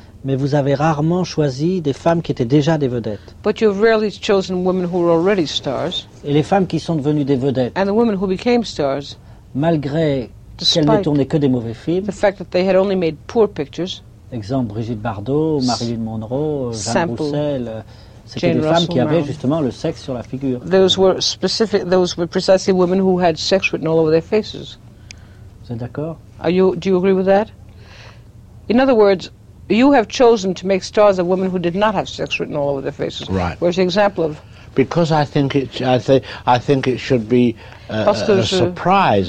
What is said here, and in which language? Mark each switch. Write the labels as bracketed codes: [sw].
[fr] Mais vous avez rarement choisi des femmes qui étaient déjà des vedettes. [en] But you have rarely chosen women who were already stars. [fr] Et les femmes qui sont devenues des vedettes. [en] And the women who became stars. [fr] Malgré qu'elle ne tournait que des mauvais films. [en] The fact that they had only made poor pictures. [fr] Exemple Brigitte Bardot, Marilyn Monroe, Jean Roussel. C'était Jane des femmes qui avaient justement le sexe sur la figure. [en] Those were specific. Those were precisely women who had sex written all over their faces. [fr] Vous êtes d'accord? [en] Are you? Do you agree with that? In other words, you have chosen to make stars of women who did not have sex written all over their faces. Right. Whereas the example of because I think it should be a surprise.